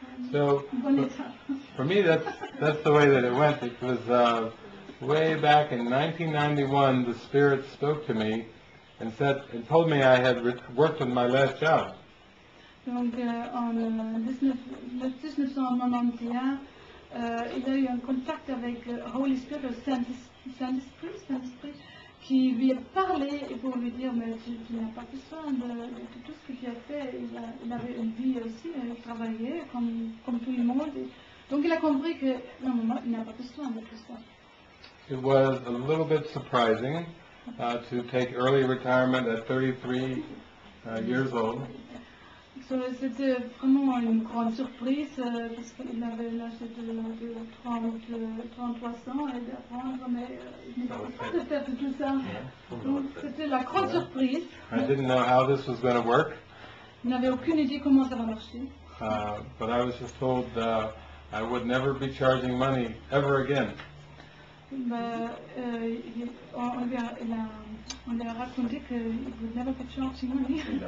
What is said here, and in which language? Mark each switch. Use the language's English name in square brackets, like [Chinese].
[English] So for me, that's the way that it went. It was way back in 1991, the Spirit spoke to me and said and told me I had worked on my last job. [French] Donc en 1991, il a eu un contact avec Holy Spirit, Saint-Esprit, qui lui a parlé pour lui dire, mais tu n'as pas besoin de tout ce que tu as fait. Il avait une vie aussi, il travaillait comme tout le monde. Donc il a compris que non, il n'a pas besoin de tout ça. [English] It was a little bit surprising to take early retirement at 33 years old. [French] So, c'était vraiment une grande surprise parce qu'il avait l'âge de 33 ans et d'apprendre, mais il n'était pas de faire tout ça. Yeah. Donc, c'était la grande surprise. [English] I didn't know how this was going to work. [French] Il n'avait aucune idée comment ça va marcher. [English] But I was just told I would never be charging money ever again. [French] On lui a raconté qu'il ne voulait jamais plus charger money.